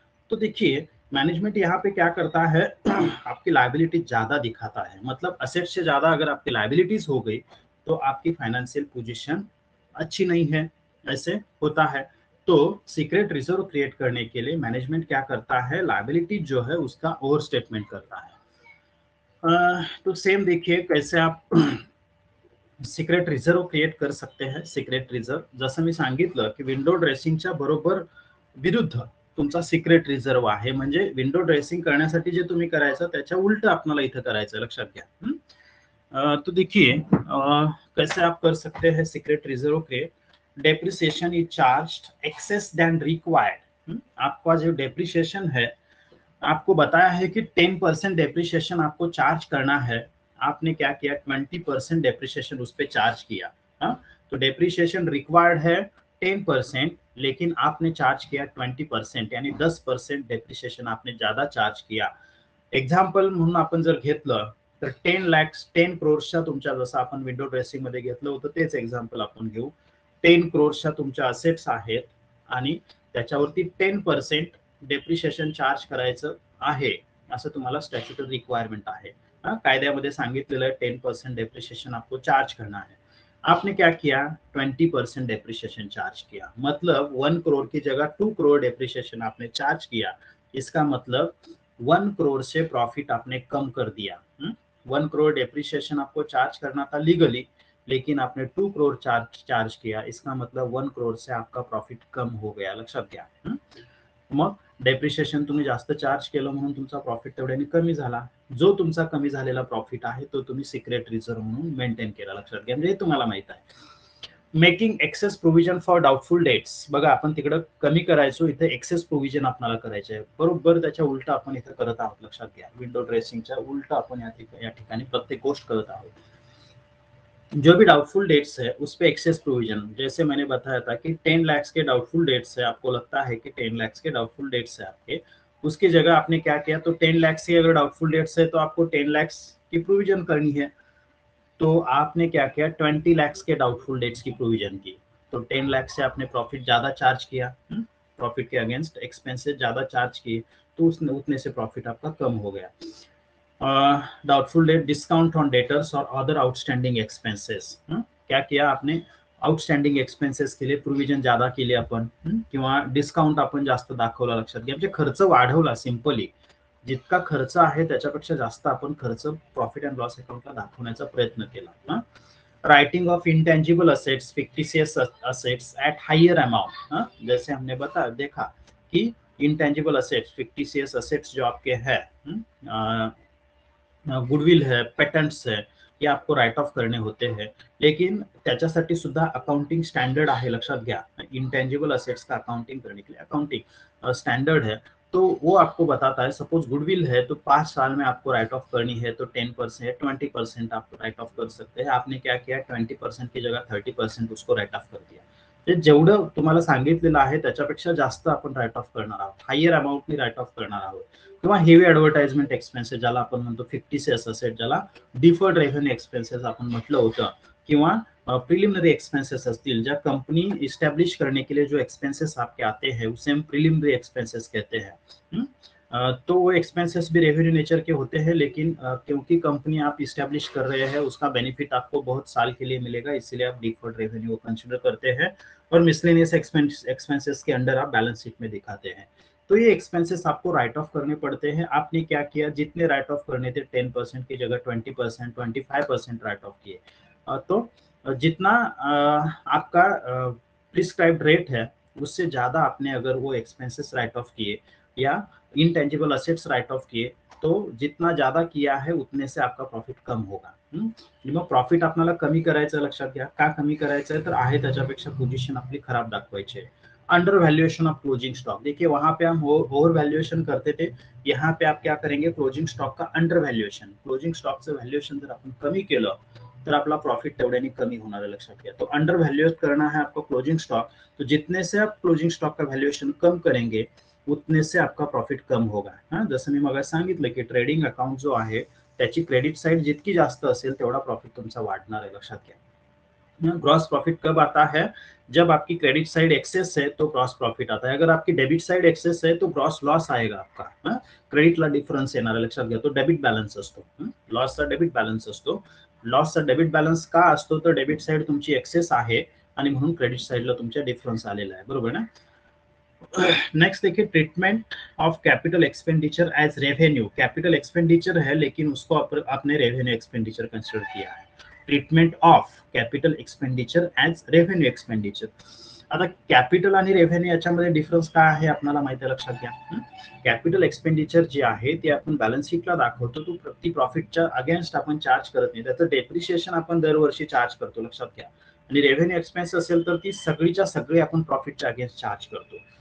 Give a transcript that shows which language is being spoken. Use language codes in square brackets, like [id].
[hi] तो देखिए मैनेजमेंट यहाँ पे क्या करता है, आपकी लायबिलिटीज ज्यादा दिखाता है, मतलब असेट से ज्यादा अगर आपकी लायबिलिटीज हो गई तो आपकी फाइनेंशियल पोजीशन अच्छी नहीं है, ऐसे होता है। तो सीक्रेट रिजर्व क्रिएट करने के लिए मैनेजमेंट क्या करता है, लायबिलिटी जो है उसका ओवर स्टेटमेंट करता है। तो सेम देखिए कैसे आप सीक्रेट रिजर्व क्रिएट कर सकते हैं। [mr] सीक्रेट रिजर्व जसं मी सांगितलं की विंडो ड्रेसिंगच्या बरोबर विरुद्ध तुमचा सीक्रेट रिजर्व आहे, म्हणजे विंडो ड्रेसिंग करण्यासाठी जे तुम्ही करायचं त्याच्या उलट आपल्याला इथं करायचं, लक्षात घ्या। [hi] तो देखिए कैसे आप कर सकते हैं secret reserve create, depreciation is charged access then required. आपका जो डेप्रिसिएशन है, आपको बताया है कि 10% डेप्रिसिएशन आपको चार्ज करना है, आपने क्या किया 20% डेप्रिसिएशन उस पे चार्ज किया, तो डेप्रिसिएशन रिक्वायर्ड है 10% लेकिन आपने चार्ज किया 20%, यानी 10% डेप्रिसिएशन आपने ज्यादा चार्ज किया। [mr] एग्जाम्पल म्हणून आपण जर घेतलं तर 10 लाख 10 करोड्सच्या तुमच्या, जसं आपण विंडो ड्रेसिंग मध्ये घेतलं होतं तेच एक्झाम्पल आपण घेऊ, 10 करोड्सच्या तुमच्या असेट्स आहेत आणि त्याच्यावरती 10% डेप्रिसिएशन चार्ज करायचं आहे असं तुम्हाला स्टॅच्युटरी रिक्वायरमेंट आहे, कायद्यामध्ये सांगितलेलं आहे 10% डेप्रिसिएशन आपको चार्ज करणार आहे, [hi] आपने क्या किया 20% डेप्रिसिएशन चार्ज किया, मतलब 1 करोड की जगह 2 करोड डेप्रिसिएशन आपने चार्ज किया, इसका मतलब 1 करोड से प्रॉफिट आपने कम कर दिया। 1 करोड डेप्रिसिएशन आपको चार्ज करना था लीगली लेकिन आपने 2 करोड चार्ज किया, इसका मतलब 1 करोड से आपका प्रॉफिट कम हो गया, [mr] लक्षात घ्या। मग डेप्रिसिएशन तुम्ही जास्त चार्ज केलं म्हणून तुमचा प्रॉफिट तेवढ्याने कमी झाला, जो तुमचा कमी झालेला प्रॉफिट आहे तो तुम्ही सिक्रेट रिझर्व म्हणून मेंटेन केला, लक्षात घ्या, म्हणजे तुम्हाला माहित आहे। Making access provision for doubtful dates, बघा आपण तिकडे कमी करायचो इथे एक्सेस प्रोव्हिजन आपल्याला करायचं आहे, बरोबर त्याच्या उलट आपण इथे करत आहोत, लक्षात घ्या, विंडो ड्रेसिंगच्या उलट आपण या ठिकाणी प्रत्येक गोष्ट करत आहोत। [hi] जो भी डाउटफुल डेट्स है उस पे एक्सेस प्रोविजन, जैसे मैंने बताया था कि 10 लाख के डाउटफुल डेट्स है, आपको लगता है कि 10 लाख के डाउटफुल डेट्स है आपके, उसकी जगह आपने क्या किया, तो 10 लाख से अगर डाउटफुल डेट्स है तो आपको 10 लाख की प्रोविजन करनी है, तो आपने क्या किया 20 लाख के डाउटफुल डेट्स की प्रोविजन की, तो 10 लाख से आपने प्रॉफिट ज्यादा चार्ज किया, प्रॉफिट के अगेंस्ट एक्सपेंसेस ज्यादा चार्ज किए तो उसने उतने से प्रॉफिट आपका कम हो गया। Doubtful debt discount on debtors और अदर आउटस्टैंडिंग एक्सपेंसेस, क्या किया आपने आउटस्टैंडिंग एक्सपेंसेस के लिए प्रोविजन ज्यादा [mr] केले आपण, किंवा डिस्काउंट आपण जास्त दाखवला, लक्षात घ्या, म्हणजे खर्च वाढवला, सिंपली जितका खर्च आहे त्याच्यापेक्षा जास्त आपण खर्च प्रॉफिट अँड लॉस अकाउंटला दाखवण्याचा प्रयत्न केला। [hi] Writing of intangible assets fictitious assets at higher amount, जैसे हमने बता देखा कि इनटेंजिबल असेट्स फिक्टिशियस असेट्स जो आपके है गुडविल है, पेटेंट्स है, ये आपको राइट ऑफ करने होते हैं, लेकिन [mr] त्याच्यासाठी सुद्धा अकाउंटिंग स्टँडर्ड आहे, लक्षात घ्या. [hi] इनटेंजिबल असेट्स का अकाउंटिंग करने के लिए अकाउंटिंग स्टँडर्ड है, तो वो आपको बताता है. सपोज गुडविल है तो 5 साल में आपको राइट ऑफ करनी है, तो 10% 20% आपको राइट ऑफ कर सकते हैं. आपने क्या किया, 20% की जगह 30% उसको राइट ऑफ कर दिया. [mr] ते जेवढं तुम्हाला सांगितलेलं आहे त्याच्यापेक्षा जास्त आपण राईट ऑफ करणार आहोत, higher amount मी right of करणार आहोत. किंवा हेवी ॲडव्हर्टाईजमेंट एक्सपेन्सेस, ज्याला आपण म्हणतो फिक्टिशियस असेट, ज्याला डिफर्ड रेव्हेन्यू एक्सपेन्सेस आपण म्हटलं होतं, किंवा प्रिलिमिनरी एक्सपेन्सेस असतील, ज्या कंपनी इस्टॅब्लिश करणे [hi] के लिए जो एक्सपेन्सेस आपके आते हैं उसे हम प्रिलिमिनरी एक्सपेन्सेस कहते हैं. तो वो एक्सपेंसेस भी रेवेन्यू नेचर के होते हैं, लेकिन क्योंकि कंपनी आप इस्टेब्लिश कर रहे हैं उसका बेनिफिट आपको बहुत साल के लिए मिलेगा, इसलिए आप डिफर्ड रेवेन्यू कंसिडर करते हैं और मिसलेनियस एक्सपेंसेस के अंडर आप बैलेंस शीट में दिखाते हैं. तो ये एक्सपेंसेस आपको राइट ऑफ करने पड़ते हैं. आपने क्या किया, जितने राइट ऑफ करने थे 10% की जगह 20% 25% राइट ऑफ किए. तो जितना आपका प्रिस्क्राइब रेट है उससे ज़्यादा आपने अगर वो एक्सपेंसेस राइट ऑफ किए या इनटेंजिबल असेट्स राइट ऑफ किए, तो जितना ज्यादा किया है उतने से आपका प्रॉफिट कम होगा. [mr] मग प्रॉफिट आपल्याला कमी करायचं, लक्षात घ्या. का कमी करायचं आहे, तर आहे त्याच्यापेक्षा पोजिशन आपली खराब दाखवायची आहे. [hi] Under valuation of closing stock, देखिए वहां पे हम ओवर व्हॅल्युएशन करते थे, यहाँ पे आप क्या करेंगे, क्लोजिंग स्टॉक का अंडर व्हॅल्युएशन. [mr] क्लोजिंग स्टॉकचं व्हॅल्युएशन जर आपण कमी केलं तर आपला प्रॉफिट तेवढ्याने कमी होणार आहे, लक्षात घ्या. [hi] तो अंडर व्हॅल्युएट करना है आपको क्लोजिंग स्टॉक, तो जितने से आप क्लोजिंग स्टॉक का व्हॅल्युएशन कम करेंगे उतने से आपका प्रॉफिट कम होगा. [mr] हाँ, जसं मी मगर सांगितलं की ट्रेडिंग अकाउंट जो आहे त्याची क्रेडिट साइड जितकी जास्त असेल तेवढा प्रॉफिट तुमचा वाढणार आहे, लक्षात घ्या. [hi] ग्रॉस प्रॉफिट कब आता है, जब आपकी क्रेडिट साइड एक्सेस है तो ग्रॉस प्रॉफिट आता है, अगर आपकी डेबिट साइड एक्सेस है तो ग्रॉस लॉस आएगा आपका. [mr] हाँ, क्रेडिटला डिफरन्स येणार आहे, लक्षात घ्या. तो डेबिट बॅलन्स असतो, लॉसचा डेबिट बॅलन्स असतो. लॉसचा डेबिट बॅलन्स का असतो, तर डेबिट साइड तुमची एक्सेस आहे आणि म्हणून क्रेडिट साइडला तुमच्या डिफरन्स आलेला आहे, बरोबर ना. [hi] नेक्स्ट देखिए, treatment of capital expenditure as revenue. Capital expenditure है लेकिन उसको आपने रेवेन्यू एक्सपेंडिचर कंसिडर किया है. Treatment of capital expenditure as revenue expenditure. [mr] आता कैपिटल आणि रेवेन्यू याच्यामध्ये डिफरन्स काय आहे आपल्याला माहिती आहे, लक्षात घ्या. कैपिटल एक्सपेंडिचर जे आहे ते आपण बॅलन्स शीटला दाखवतो, तो प्रति प्रॉफिटच्या अगेन्स्ट आपण चार्ज करत नाही, त्याचं डेप्रिसिएशन आपण दरवर्षी चार्ज करतो, लक्षात घ्या. आणि रेव्हेन्यू एक्सपेन्स असेल तर ती सगळीच्या सगळी आपण प्रॉफिटच्या अगेन्स्ट चार्ज करतो.